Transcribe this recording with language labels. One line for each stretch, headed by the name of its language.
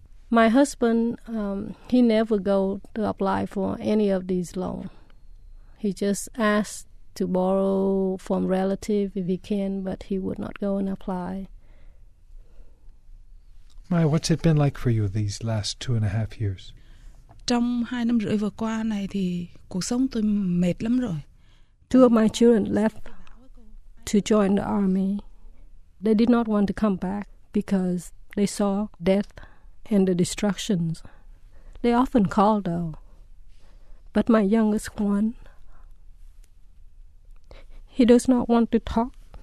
English: My husband, he never go to apply for any of these loans. He just asked to borrow from relative if he can, but he would not go and apply. Mai, what's it been like for you these last 2.5 years?
Vietnamese: Trong 2.5 năm vừa qua này thì cuộc sống tôi mệt lắm rồi.
English: Two of my children left to join the army. They did not want to come back because they saw death and the destructions. They often called though. But my youngest one, he does not want to talk.